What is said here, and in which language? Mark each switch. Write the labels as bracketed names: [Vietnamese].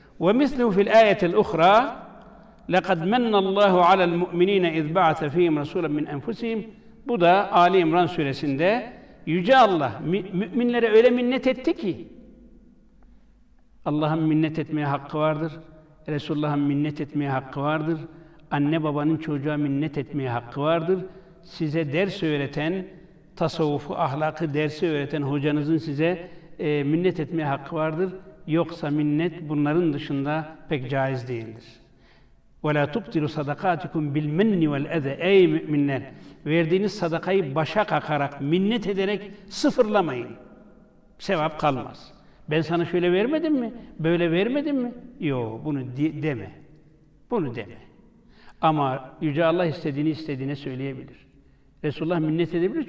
[Arabic] وَمِثْلُهُ فِي الْآيَةِ الْأُخْرَى لَقَدْ مَنَّ اللّٰهُ عَلَى الْمُؤْمِنِينَ اِذْ بَعَثَ ف۪يهِمْ رَسُولًا مِنْ اَنْفُسِهِمْ [Turkish] Bu da Âl-i İmran Suresi'nde Yüce Allah müminlere öyle minnet etti ki Allah'ın minnet etmeye hakkı vardır, Resulullah'ın minnet etmeye hakkı vardır, anne babanın çocuğa minnet etmeye hakkı vardır. Size ders öğreten, tasavvufu, ahlakı dersi öğreten hocanızın size minnet etmeye hakkı vardır. Yoksa minnet bunların dışında pek caiz değildir. [Arabic] وَلَا تُبْتِلُوا صَدَقَاتِكُمْ بِالْمَنِّ وَالْاَذَى [Turkish] Ey müminler! Verdiğiniz sadakayı başa kakarak, minnet ederek sıfırlamayın. Sevap kalmaz. Ben sana şöyle vermedim mi? Böyle vermedim mi? Yok, bunu deme. Bunu deme. Ama Yüce Allah istediğine söyleyebilir. Resulullah minnet edebilir.